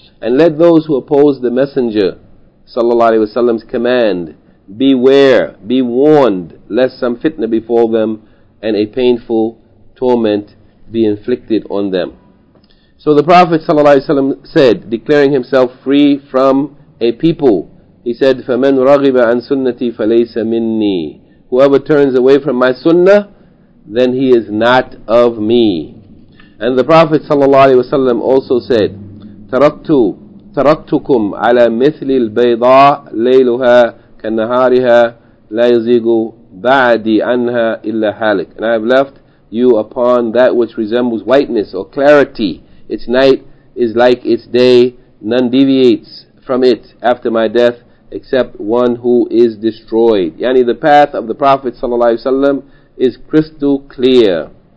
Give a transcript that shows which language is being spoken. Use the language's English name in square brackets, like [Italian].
[English] And let those who oppose the Messenger sallallahu alaihi wasallam's command beware, be warned, lest some fitna befall them and a painful torment be inflicted on them. So the Prophet sallallahu alaihi wasallam said, declaring himself free from a people, he said, [Arabic] فَمَنْ رَغِبَ عَنْ سُنَّتِي فَلَيْسَ مِنِّي. [English] Whoever turns away from my sunnah, then he is not of me. And the Prophet ﷺ also said, [Arabic] تَرَكْتُكُمْ عَلَى مِثْلِ الْبَيْضَاءِ لَيْلُهَا كَالنَّهَارِهَا لا يزيغ بعدي عنها إلا حالك. [English] And I have left you upon that which resembles whiteness or clarity. Its night is like its day, none deviates from it after my death except one who is destroyed. Yani the path of the Prophet sallallahu alaihi wasallam is crystal clear.